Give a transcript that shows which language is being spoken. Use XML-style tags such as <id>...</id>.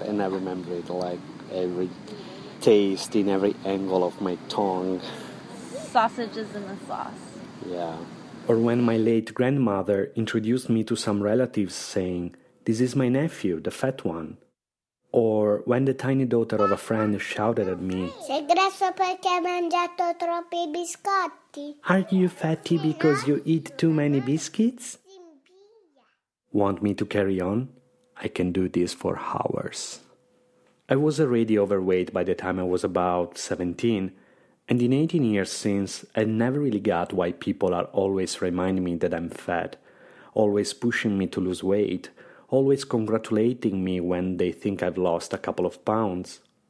<en>And I remember it, like, every taste in every angle of my tongue. Sausages in the sauce. Yeah. Or when my late grandmother introduced me to some relatives saying, "This is my nephew, the fat one." Or when the tiny daughter of a friend shouted at me,</en> <it>"Sei grasso perché hai mangiato troppi biscotti."</it> <en>Are you fatty because you eat too many biscuits? Want me to carry on? I can do this for hours. I was already overweight by the time I was about 17, and in 18 years since, I never really got why people are always reminding me that I'm fat, always pushing me to lose weight, always congratulating me when they think I've lost a couple of pounds.</en>